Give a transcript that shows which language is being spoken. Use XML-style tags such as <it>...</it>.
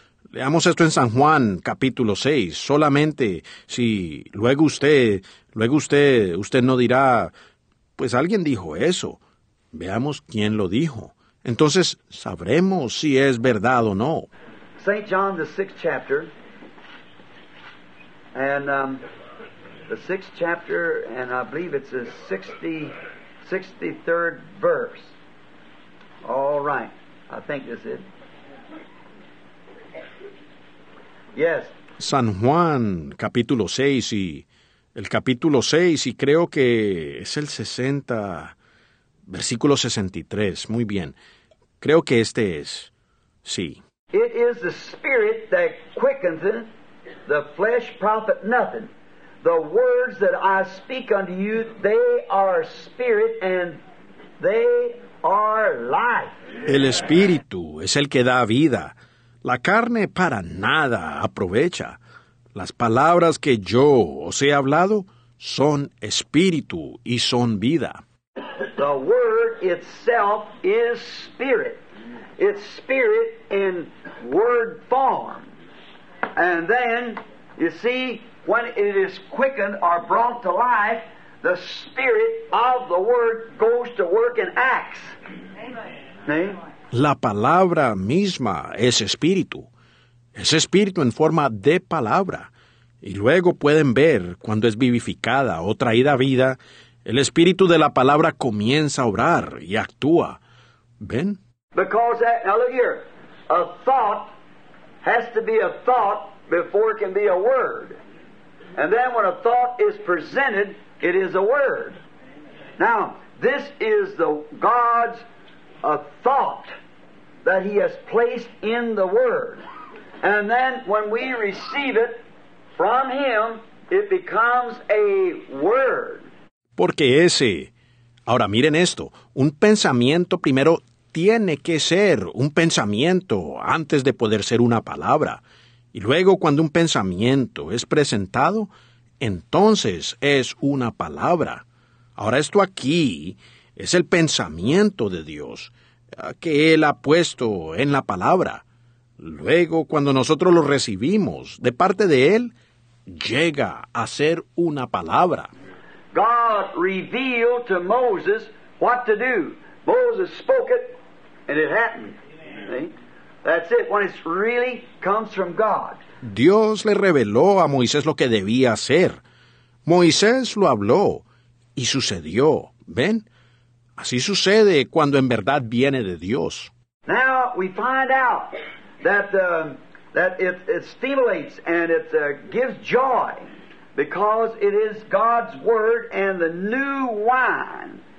<es>Leamos esto en San Juan, capítulo 6. Solamente si luego usted no dirá, pues alguien dijo eso. Veamos quién lo dijo. Entonces sabremos si es verdad o no.</es> <en>St. John, the sixth chapter. And the sixth chapter, and I believe it's the 63rd verse. All right. I think this is it. Yes.</en> <es>San Juan, capítulo 6, y el capítulo 6, y creo que es el 60, versículo 63. Muy bien. Creo que este es. Sí.</es> <en>It is the Spirit that quickens it. The flesh profit nothing. The words that I speak unto you, they are spirit and they are life.</en> <es>El Espíritu es el que da vida. La carne para nada aprovecha. Las palabras que yo os he hablado son espíritu y son vida.</es> <en>The word itself is spirit. It's spirit in word form. And then, you see, when it is quickened or brought to life, the spirit of the word goes to work and acts. Amen.</en> <es>La palabra misma es espíritu. Es espíritu en forma de palabra. Y luego pueden ver, cuando es vivificada o traída a vida, el espíritu de la palabra comienza a obrar y actúa. ¿Ven?</es> <en>Because that, now look here, a thought has to be a thought before it can be a word. And then when a thought is presented, it is a word. Now, this is the God's thought that he has placed in the word. And then when we receive it from him, it becomes a word.</en> <es>Porque ese, ahora miren esto, un pensamiento primero tiene que ser un pensamiento antes de poder ser una palabra. Y luego, cuando un pensamiento es presentado, entonces es una palabra. Ahora, esto aquí es el pensamiento de Dios que Él ha puesto en la palabra. Luego, cuando nosotros lo recibimos de parte de Él, llega a ser una palabra.</es> <en>God revealed to Moses what to do. Moses spoke it, and it happened. That's it. When it really comes from God.</en> <es>Dios le reveló a Moisés lo que debía hacer. Moisés lo habló y sucedió. ¿Ven? Así sucede cuando en verdad viene de Dios.</es> <en>Now we find out that it stimulates and it gives joy because it is God's word and the new wine.</en>